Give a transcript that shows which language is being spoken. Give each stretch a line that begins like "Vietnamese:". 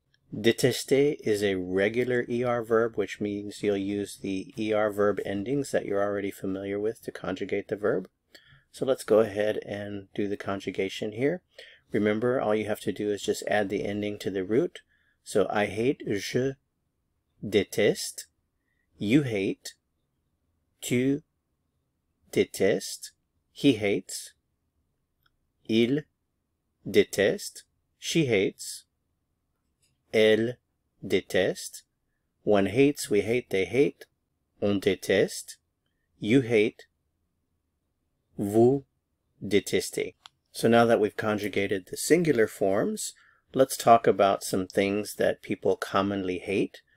English: Détester is a regular ER verb, which means you'll use the ER verb endings that you're already familiar with to conjugate the verb. So let's go ahead and do the conjugation here. Remember, all you have to do is just add the ending to the root. So I hate,
French: je déteste.
English: You hate,
French: tu déteste,
English: he hates,
French: il déteste,
English: she hates,
French: elle déteste,
English: one hates, we hate, they hate,
French: on déteste,
English: you hate,
French: vous détestez.
English: So now that we've conjugated the singular forms, let's talk about some things that people commonly hate.